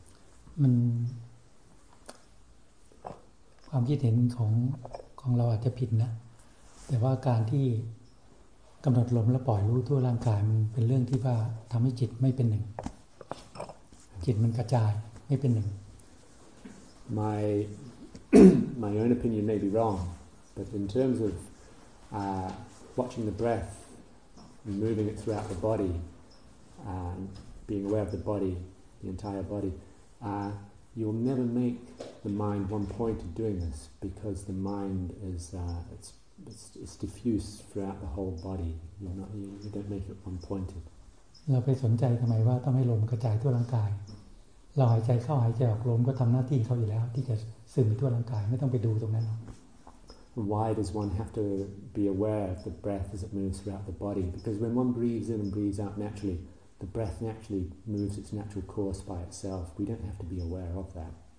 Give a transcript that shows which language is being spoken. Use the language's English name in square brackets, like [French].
[Thai] มันความคิดเห็นของเราอาจจะผิดนะแต่ว่าการที่กำหนดลมแล้วปล่อยรู้ทั่วร่างกายมันเป็นเรื่องที่ว่าทำให้จิตไม่เป็นหนึ่งจิตมันกระจายไม่เป็นหนึ่ง [English] My own opinion may be wrong but in terms of watching the breath moving it throughout the body being aware of the body the entire body you'll never make the mind one point of doing this because the mind is it's diffuse throughout the whole body you don't make it one pointed [Thai] เราไปสนใจทำไมว่าต้องให้ลมกระจายทั่วร่างกายเราหายใจเข้าหายใจออกลมก็ทำหน้าที่เขาอยู่แล้วที่จะซึมไปทั่วร่างกายไม่ต้องไปดูตรงนั้นหรอก [English] Why does one have to be aware of the breath as it moves throughout the body because when one breathes in and breathes out naturally the breath naturally moves its natural course by itself we don't have to be aware of that